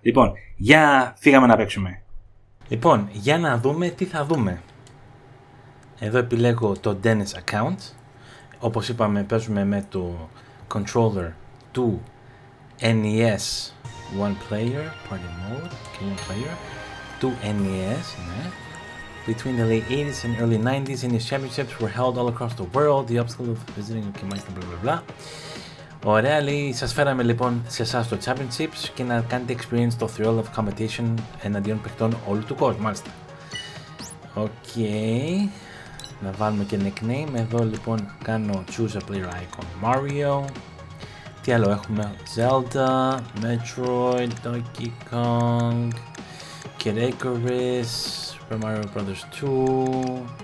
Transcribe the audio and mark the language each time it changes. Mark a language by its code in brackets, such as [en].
[el] Λοιπόν, για φύγαμε να παίξουμε. Λοιπόν, για να δούμε τι θα δούμε. Εδώ επιλέγω το Dennis account. Όπως είπαμε, παίζουμε με το controller του NES One Player Party Mode και One Player του NES, ναι. [en] Between the late 80s and early 90s, NES championships were held all across the world. The obstacle of visiting, okay, mice, blah, blah, blah. [el] Ωραία, λέει, σας φέραμε λοιπόν σε εσάς το championships και να κάνετε experience το [en] thrill of competition [el] εναντίον παιχτών όλου του κόσμου, μάλιστα. Οκ. Να βάλουμε και nickname. Εδώ λοιπόν κάνω [en] choose a player icon [el] Mario. Τι άλλο έχουμε, Zelda, Metroid, Donkey Kong, Kid Icarus, Super Mario Brothers 2.